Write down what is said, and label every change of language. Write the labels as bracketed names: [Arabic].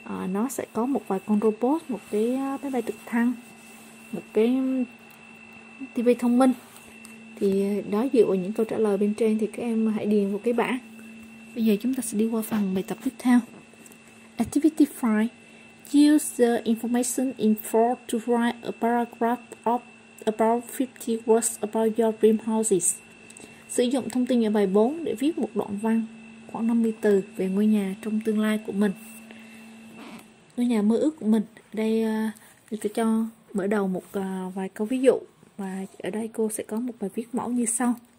[Vietnamese] Nó sẽ có một vài con robot, một cái máy bay trực thăng, một cái TV thông minh. Thì đó dựa vào những câu trả lời bên trên thì các em hãy điền vào cái bảng. Bây giờ chúng ta sẽ đi qua phần bài tập tiếp theo. [English] Activity 5. Use the information in 4 to write a paragraph of about 50 words about your dream houses. [Vietnamese] Sử dụng thông tin ở bài 4 để viết một đoạn văn khoảng 50 từ về ngôi nhà trong tương lai của mình. Ngôi nhà mơ ước của mình. Đây tôi cho mở đầu một vài câu ví dụ. Và ở đây cô sẽ có một bài viết mẫu như sau.